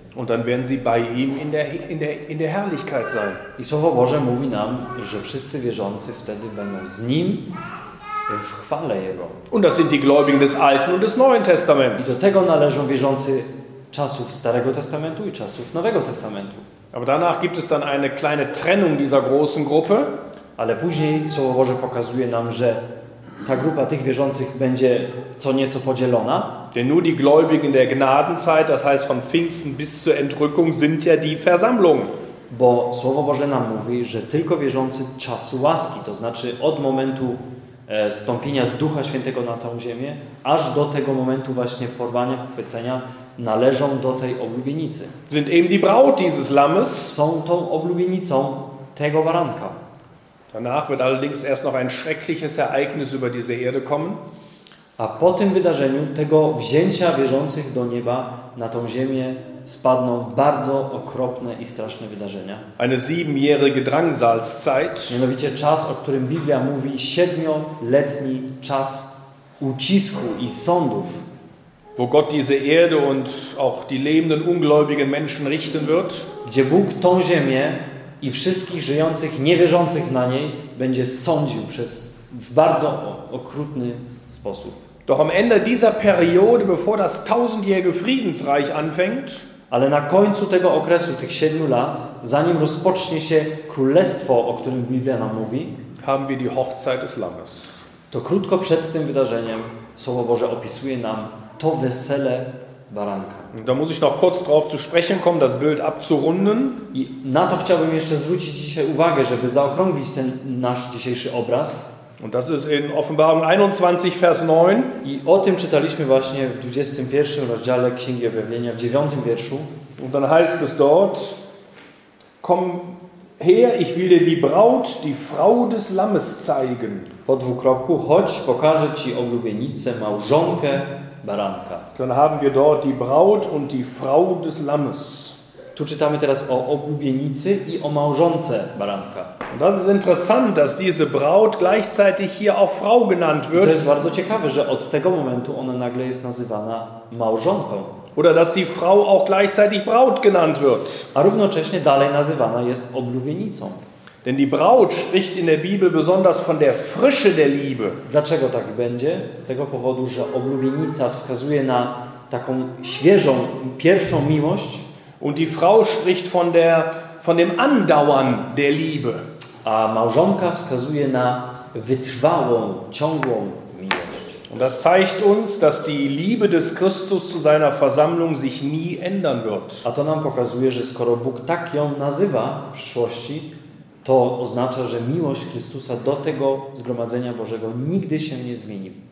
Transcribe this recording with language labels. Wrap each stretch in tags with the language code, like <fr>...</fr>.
<de>Und dann werden sie bei ihm in der Herrlichkeit sein.</de> <pl>I Słowo Boże mówi nam, że wszyscy wierzący wtedy będą z nim w chwale Jego.</pl> <de>Und das sind die Gläubigen des Alten und des Neuen Testaments.</de> <pl>I do tego należą wierzący czasów Starego Testamentu i czasów Nowego Testamentu.</pl> <de>Aber danach gibt es dann eine kleine Trennung dieser großen Gruppe.</de> <pl>Ale później Słowo Boże pokazuje nam, że ta grupa tych wierzących będzie co nieco podzielona.</pl> <de>Denn nur die Gläubigen der Gnadenzeit, das heißt von Pfingsten bis zur Entrückung, sind ja die Versammlung.</de> <pl>Bo Słowo Boże nam mówi, że tylko wierzący czasu łaski, to znaczy od momentu zstąpienia Ducha Świętego na tą ziemię, aż do tego momentu właśnie porwania, pochwycenia, należą do tej oblubienicy.</pl> <de>Sind eben die Braut dieses Lammes.</de> <pl>Są tą oblubienicą tego baranka.</pl> <de>Danach wird allerdings erst noch ein schreckliches Ereignis über diese Erde kommen.</de> <pl>A po tym wydarzeniu, tego wzięcia wierzących do nieba na tą ziemię, spadną bardzo okropne i straszne wydarzenia.</pl> <de>Eine siebenjährige Drangsalszeit.</de> <pl>Mianowicie czas, o którym Biblia mówi, siedmioletni czas ucisku i sądów.</pl> <de>Wo Gott diese Erde und auch die lebenden ungläubigen Menschen richten wird.</de> <pl>Gdzie Bóg tą ziemię i wszystkich żyjących, niewierzących na niej będzie sądził przez w bardzo okrutny sposób.</pl> <de>Doch am Ende dieser Periode, bevor das tausendjährige Friedensreich anfängt,</de> <pl>ale na końcu tego okresu, tych siedmiu lat, zanim rozpocznie się królestwo, o którym Biblia nam mówi,</pl> <de>haben wir die Hochzeit des Lammes.</de> <pl>To krótko przed tym wydarzeniem Słowo Boże opisuje nam to wesele baranka.</pl> <de>Da muss ich noch kurz drauf zu sprechen kommen, das Bild abzurunden.</de> <pl>I na to chciałbym jeszcze zwrócić dzisiaj uwagę, żeby zaokrąglić ten nasz dzisiejszy obraz.</pl> <de>Und das ist in Offenbarung 21, Vers 9.</de> <pl>I o tym czytaliśmy właśnie w 21 rozdziale Księgi Objawienia, w 9 wierszu.</pl> <de>Und dann heißt es dort, komm her, ich will dir die Braut, die Frau des Lammes zeigen.</de> <pl>Po dwukropku, chodź, pokażę ci oblubienicę, małżonkę baranka.</pl> <de>Dann haben wir dort die Braut und die Frau des Lammes.</de> <pl>Tu czytamy teraz o oblubienicy i o małżonce baranka.</pl> <de>Das ist interessant, dass diese Braut gleichzeitig hier auch Frau genannt wird.</de> <pl>To jest bardzo ciekawe, że od tego momentu ona nagle jest nazywana małżonką.</pl> <de>Oder dass die Frau auch gleichzeitig Braut genannt wird.</de> <pl>A równocześnie dalej nazywana jest oblubienicą.</pl> <de>Denn die Braut spricht in der Bibel besonders von der Frische der Liebe.</de> <pl>Dlaczego tak będzie? Z tego powodu, że oblubienica wskazuje na taką świeżą, pierwszą miłość.</pl> <de>Und die Frau spricht von dem Andauern der Liebe.</de> <pl>A małżonka wskazuje na wytrwałą, ciągłą miłość.</pl> <de>Und das zeigt uns, dass die Liebe des Christus zu seiner Versammlung sich nie ändern wird.</de> <pl>A to nam pokazuje, że skoro Bóg tak ją nazywa w przyszłości, to oznacza, że miłość Chrystusa do tego zgromadzenia Bożego nigdy się nie zmieni.</pl>